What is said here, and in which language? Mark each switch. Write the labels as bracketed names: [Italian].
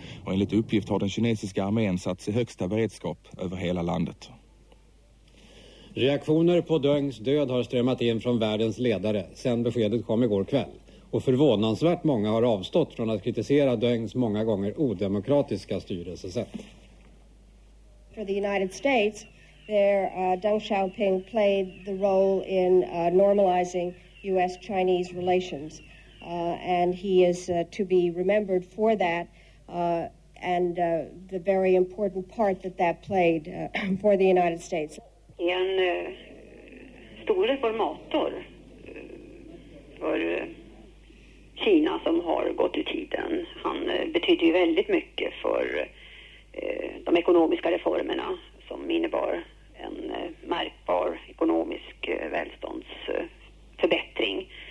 [Swedish] Och enligt uppgift har den kinesiska armén satts i högsta beredskap över hela landet. Reaktioner på Dengs död har strömmat in från världens ledare sedan beskedet kom igår kväll. Och förvånansvärt många har avstått från att kritisera Dengs många gånger odemokratiska styrelsesätt. [English] For the United States, there Deng Xiaoping played the role in normalizing US-Chinese relations. And he is to be remembered for that. And the very important part that that played for the United States. [Swedish] En stor reformator för Kina som har gått i tiden. Han betyder ju väldigt mycket för de ekonomiska reformerna som innebar en märkbar ekonomisk välståndsförbättring.